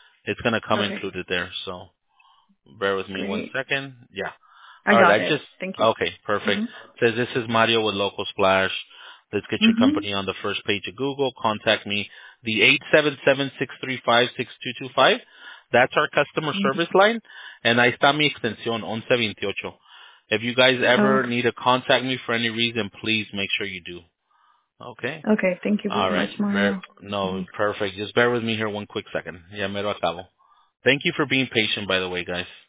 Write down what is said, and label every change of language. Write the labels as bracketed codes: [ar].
[en] It's going to come included there, so bear with me 1 second. Yeah. Thank you. Okay, perfect. Mm-hmm. It says, this is Mario with Local Splash. Let's get your company on the first page of Google. Contact me. The 877-635-6225. That's our customer service line. [es] And ahí está mi extensión, 1128. [en] If you guys ever need to contact me for any reason, please make sure you do. Okay? Okay. Thank you very much, Mario. Perfect. Just bear with me here 1 quick second. [es] Ya mero acabo. [en] Thank you for being patient, by the way, guys.